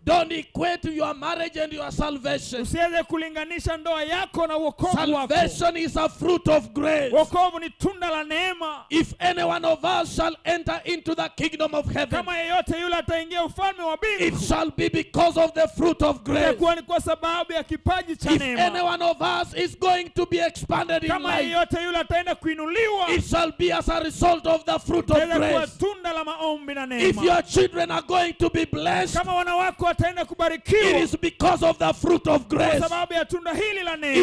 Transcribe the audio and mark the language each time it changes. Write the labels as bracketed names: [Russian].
[English] don't equate your marriage and your salvation. [Swahili] Usiende kulinganisha ndoa yako na wokovu. [English] Salvation is a fruit of grace. [Swahili] Wokovu ni tunda la neema. [English] If anyone of us shall enter into the kingdom of heaven, [Swahili] kama yeyote yule ataingia ufalme wa mbinguni, [English] it shall be because of the fruit of grace. [Swahili] Itakuwa ni kwa sababu ya kipaji cha neema. [English] If anyone of us is going to be expanded in life, [Swahili] kama yeyote yule ataenda kuinuliwa, [English] it shall be as a result of the fruit of grace. [Swahili] Itakuwa tunda la maombi na neema. [English] If your children are going to be blessed, [Swahili] kama wana wako wataenda kubarikiwa, [English] it is because of the fruit of grace. [Swahili] Kwa sababu ya tunda hili la neema.